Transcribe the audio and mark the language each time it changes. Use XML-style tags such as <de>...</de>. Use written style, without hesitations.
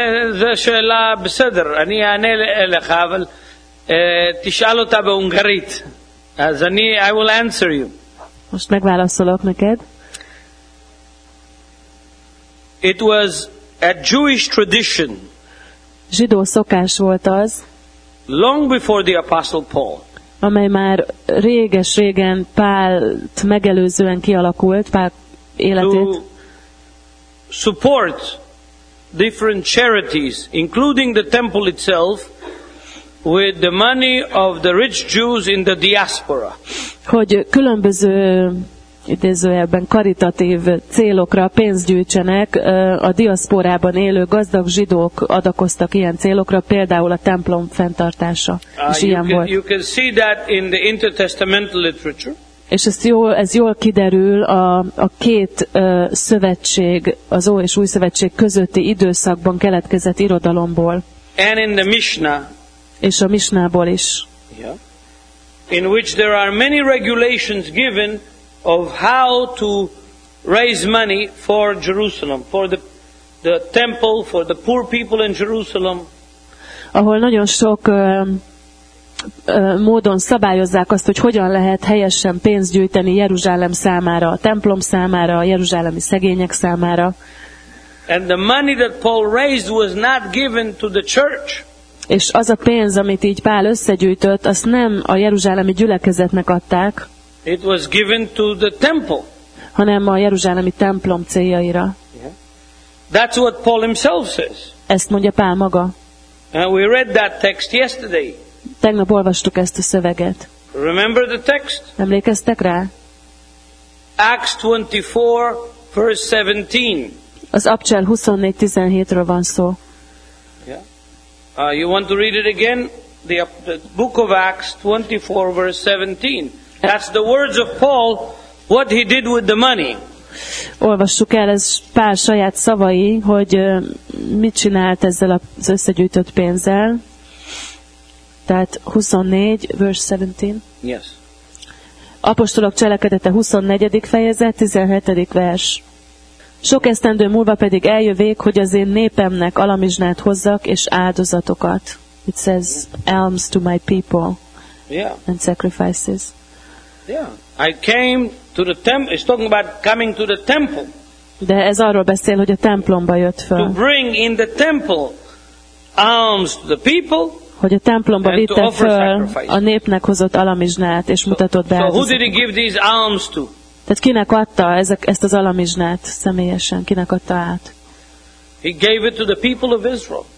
<he>זו שאלה בסדר, אני אענה לך, אבל תשאל אותה בהונגרית. אז אני,</he> <en>I will answer you.</en> <hu>Most megválaszolok neked.</hu> <en>It was a Jewish tradition.</en> <hu>Zsidó szokás volt az.</hu> <en>Long before the Apostle Paul.</en> <hu>Amely már réges-régen Pált megelőzően kialakult, Pál életét.</hu> <en>Support different charities, including the temple itself, with the money of the rich Jews in the diaspora.</en> <hu>Hogy különböző idézőjelben karitatív célokra pénzt gyűjtsenek, a diaszporában élő gazdag zsidók adakoztak ilyen célokra, például a templom fenntartása is ilyen volt.</hu> <en>You can see that in the intertestamental literature.</en> <hu>És ez jól kiderül a két szövetség, az Ó és Új Szövetség közötti időszakban keletkezett irodalomból.</hu> <en>And in the Mishnah,</en> <hu>és a Mishnából is.</hu> <en>Yeah, in which there are many regulations given of how to raise money for Jerusalem, for the temple, for the poor people in Jerusalem.</en> <hu>Ahol nagyon sok módon szabályozzák azt, hogy hogyan lehet helyesen pénzt gyűjteni Jeruzsálem számára, a templom számára, a jeruzsálemi szegények számára.</hu> <en>And the money that Paul raised was not given to the church.</en> <hu>És az a pénz, amit így Pál összegyűjtött, azt nem a jeruzsálemi gyülekezetnek adták.</hu> <en>It was given to the temple.</en> <hu>Hanem a jeruzsálemi templom céljaira.</hu> <en>Yeah. That's what Paul himself says.</en> <hu>Ezt mondja Pál maga.</hu> <en>And we read that text yesterday.</en> <hu>Tegnap olvastuk ezt a szöveget.</hu> <en>Remember the text?</en> <hu>Emlékeztek rá?</hu> <en>Acts 24, verse 17.</en> <hu>Az Apcsel 24:17-ről van szó.</hu> <en>Yeah. You want to read it again? The book of Acts 24, verse 17. That's the words of Paul, what he did with the money.</en> <hu>Olvassuk el, ez Pál saját szavai, hogy mit csinált ezzel az összegyűjtött pénzzel. Tehát 24, verse 17. Yes. Apostolok cselekedete 24. fejezet, 17. vers. Sok esztendő múlva pedig eljövék, hogy az én népemnek alamizsnát hozzak, és áldozatokat.</hu> <en>It says, alms to my people. Yeah. And sacrifices. Yeah. I came to the temple. It's talking about coming to the temple.</en> <hu>De ez arról beszél, hogy a templomba jött föl.</hu> <en>To bring in the temple alms to the people.</en> <hu>hogy a templomba vitte föl a népnek hozott alamizsnát, és mutatott be áldozatokat. Tehát kinek adta ezt az alamizsnát személyesen? Kinek adta át?</hu> <en>He gave it to the people of Israel.</en>